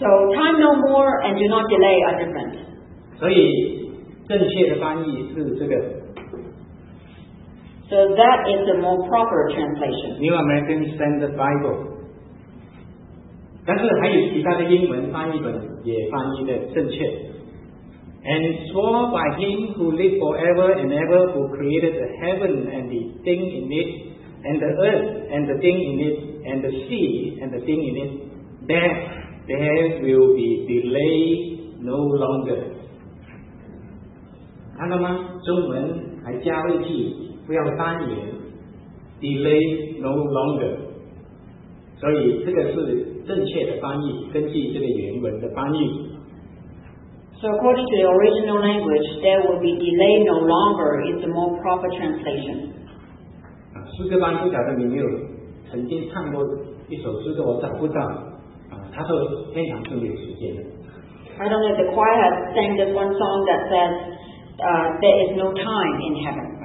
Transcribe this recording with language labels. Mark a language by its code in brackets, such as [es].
[en] So time no more and do not delay are different。 [zh] 所以正确的翻译是这个。 [en] So that is the more proper translation. New American Standard Bible。 [zh] 但是还有其他的英文翻译本也翻译的正确。 [en] And swore by him who lived forever and ever, who created the heaven and the thing in it, and the earth and the thing in it, and the sea and the thing in it, that there will be delay no longer. [zh] 看到吗？中文还加了一句，不要翻译 ， [en] delay no longer。 [zh] 所以这个是正确的翻译，根据这个原文的翻译。 [en] So according to the original language, there will be delay no longer is the more proper translation. [zh] 诗歌班不晓得你没有曾经唱过一首诗歌，我找不到。他说天堂是没有时间的。 [en] I don't know if the choir has sang this one song that says, there is no time in heaven.